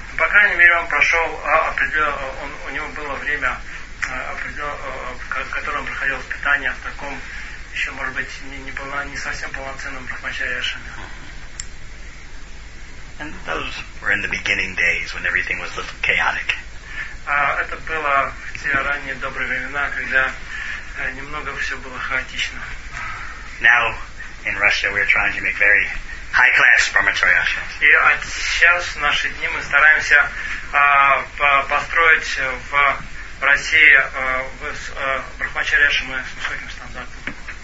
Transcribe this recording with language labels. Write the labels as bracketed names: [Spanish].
[Russian] По крайней мере, он прошел у него было время, в котором проходил воспитание в таком, еще, может быть, не совсем полноценном брахмачарья ашраме. [English] And those were in the beginning days when everything was a little chaotic. [Russian] Это было в те ранние добрые времена, когда немного все было хаотично. [English] Now in Russia we're trying to make very high-class brahmacharya ashrams. [Russian] И сейчас, в наши дни, мы стараемся построить в России брахмачарья ашрамы с высоким стандартом.